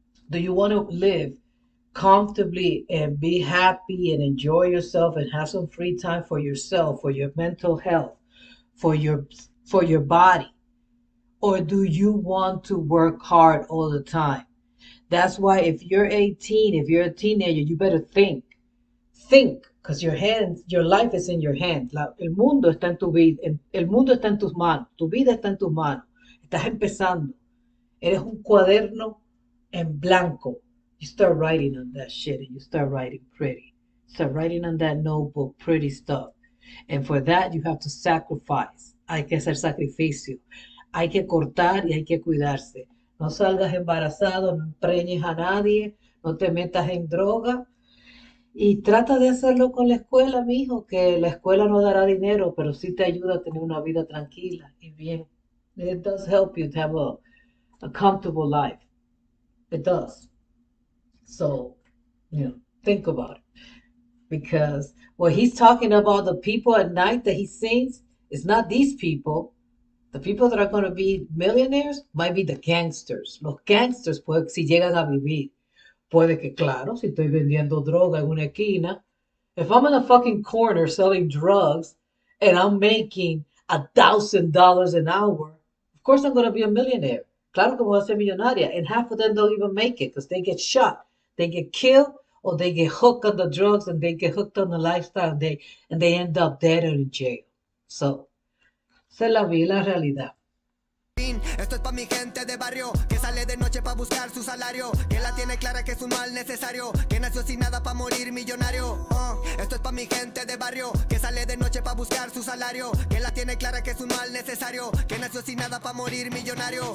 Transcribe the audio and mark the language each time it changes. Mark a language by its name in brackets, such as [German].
[English] Do you want to live comfortably and be happy and enjoy yourself and have some free time for yourself, for your mental health, for your body? Or do you want to work hard all the time? That's why if you're 18, if you're a teenager, you better think, because your life is in your hands. [Spanish] El mundo está en tu vida, el mundo está en tus manos, tu vida está en tus manos, estás empezando, eres un cuaderno en blanco. [English] You start writing on that shit and you start writing pretty, start writing on that notebook pretty stuff, and for that you have to sacrifice. [Spanish] Hay que hacer sacrificio, hay que cortar y hay que cuidarse. No salgas embarazado, no empreñes a nadie, no te metas en droga. Y trata de hacerlo con la escuela, mijo, que la escuela no dará dinero, pero sí te ayuda a tener una vida tranquila y bien. [English] It does help you to have a comfortable life. It does. So, think about it. Because what he's talking about, the people at night that he sings, is not these people. The people that are going to be millionaires might be the gangsters. [Spanish] Los gangsters, pues, si llegan a vivir. Puede que, claro, si estoy vendiendo droga en una esquina. [English] If I'm in a fucking corner selling drugs and I'm making $1,000 an hour, of course I'm going to be a millionaire. [Spanish] Claro que voy a ser millonaria. [English] And half of them don't even make it because they get shot. They get killed or they get hooked on the drugs and they get hooked on the lifestyle and they end up dead or in jail. [Spanish] So, se la vi la realidad. Esto es pa' mi gente de barrio, que sale de noche pa' buscar su salario, que la tiene clara que es un mal necesario, que nació sin nada pa' morir millonario. Esto es pa' mi gente de barrio, que sale de noche pa' buscar su salario, que la tiene clara que es un mal necesario, que nació sin nada pa' morir millonario.